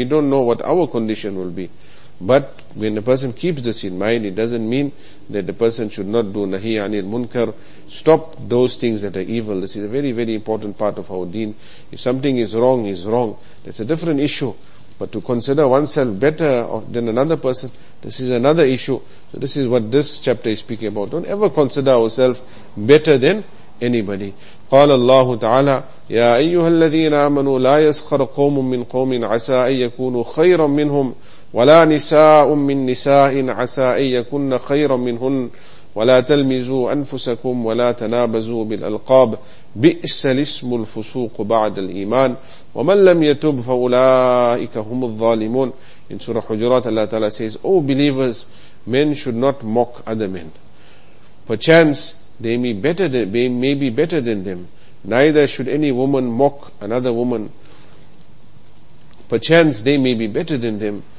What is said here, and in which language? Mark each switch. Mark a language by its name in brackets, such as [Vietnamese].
[English] We don't know what our condition will be. But when a person keeps this in mind, it doesn't mean that the person should not do nahi anil munkar, stop those things that are evil. This is a very, very important part of our deen. If something is wrong, it's wrong. That's a different issue. But to consider oneself better than another person, this is another issue. So this is what this chapter is speaking about. Don't ever consider ourselves better than anybody. [Arabic] قال الله تعالى يا أيها الذين آمنوا لا يسخر قوم من قوم عسى أن يكونوا خيرا منهم ولا نساء من نساء عسى أن يكن خيرا منهن ولا تلمزوا أنفسكم ولا تنابزوا بالألقاب بئس الاسم الفسوق بعد الإيمان ومن لم يتب فأولئك هم الظالمون. [English] In Surah Hujurat, Allah Ta'ala says, O believers, men should not mock other men. Perchance they may be better than them. Neither should any woman mock another woman. Perchance they may be better than them.